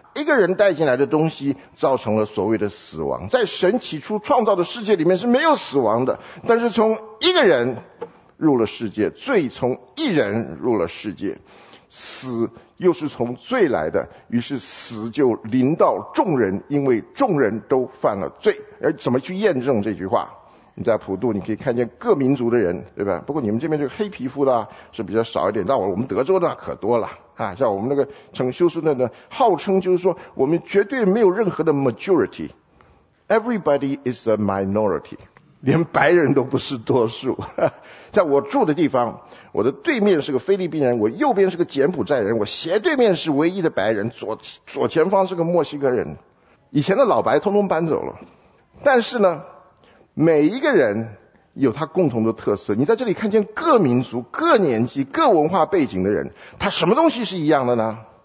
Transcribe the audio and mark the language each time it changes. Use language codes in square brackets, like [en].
[zh] 一个人带进来的东西造成了所谓的死亡，在神起初创造的世界里面是没有死亡的，但是从一个人入了世界，罪从一人入了世界，死又是从罪来的，于是死就临到众人，因为众人都犯了罪。而怎么去验证这句话？你在普渡你可以看见各民族的人，对吧？不过你们这边这个黑皮肤的是比较少一点，但我们德州的可多了啊，像我们那个程修斯那呢，号称就是说我们绝对没有任何的 majority， [en] Everybody is a minority. [zh] 连白人都不是多数。在我住的地方，我的对面是个菲律宾人，我右边是个柬埔寨人，我斜对面是唯一的白人，左前方是个墨西哥人。以前的老白通通搬走了。但是呢，每一个人有他共同的特色，你在这里看见各民族、各年纪、各文化背景的人，他什么东西是一样的呢？